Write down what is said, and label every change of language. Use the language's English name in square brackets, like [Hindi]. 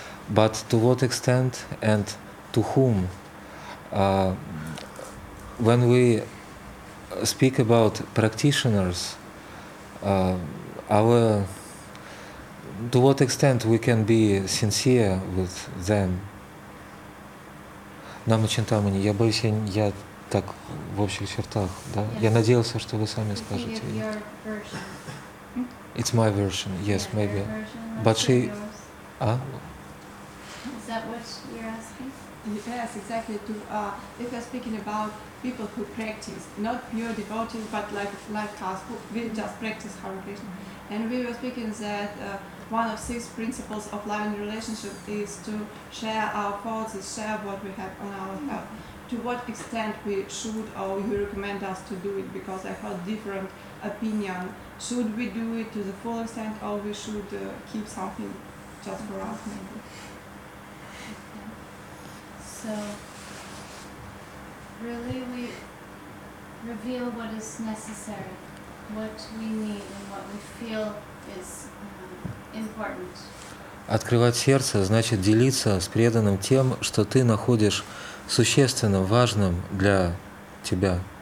[English] But to what extent and to whom? When we speak about practitioners, to what extent we can be sincere with them? [Russian] Нама Чинтамани, я боюсь, я так в общих чертах, да? [English] Yes. [Russian] Я надеялся, что вы сами скажете. [English] Your version. It's my version, yes, yeah, maybe. Version, but she... Yours. Is that what you're asking? Yes, exactly. If you're speaking about people who practice, not pure devotees, but like us, we just practice Hare Krishna. And we were speaking that one of six principles of loving relationship is to share our thoughts, share what we have on our heart. To what extent we should or you recommend us to do it? Because I heard different opinion. Should we do it to the full extent or we should keep something just for us maybe? Okay. So, really we reveal what is necessary, what we need and what we feel is important. [Russian] Открывать сердце значит делиться с преданным тем, что ты находишь существенным, важным для тебя.